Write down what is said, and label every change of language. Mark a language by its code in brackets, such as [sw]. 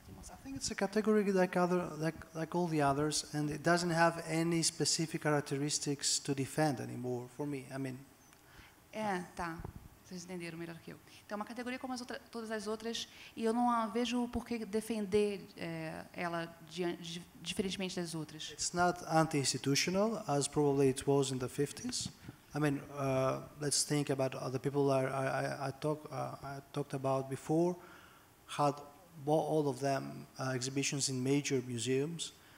[en] I think it's a category like all the others, and it doesn't have any specific characteristics to defend anymore, for me, I mean. [pt] Tá. Vocês entenderam melhor que eu. Então, é uma categoria como todas as outras, e eu não vejo por que defender ela diferentemente das outras. [en] It's not anti-institutional, as probably it was in the 50s. I mean, let's think about other people I talked about before, had all of them exhibitions in major museums.